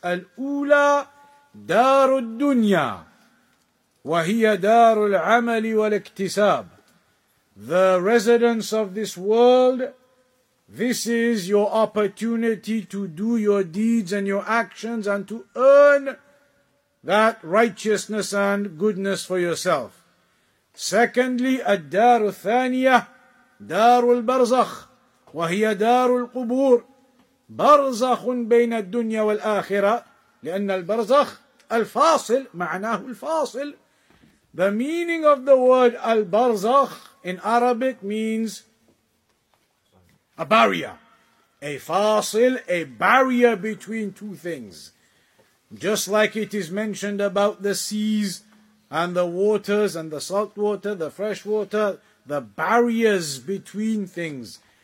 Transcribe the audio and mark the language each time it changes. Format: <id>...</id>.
<ar>Al-Ula Daru Dunya. Wahiya Daru Al-Amali Wal-Iktisab.</ar> <en>The residence of this world This is your opportunity to do your deeds and your actions and to earn that righteousness and goodness for yourself.</en> <ar>Secondly, الدار الثانية, دار البرزخ, وهي دار القبور, برزخ بين الدنيا والآخرة, لأن البرزخ الفاصل, معناه الفاصل.</ar> <en>The meaning of the word البرزخ in Arabic means a barrier, a fasil, a barrier between two things. Just like it is mentioned about the seas and the waters and the salt water, the fresh water, the barriers between things.</en>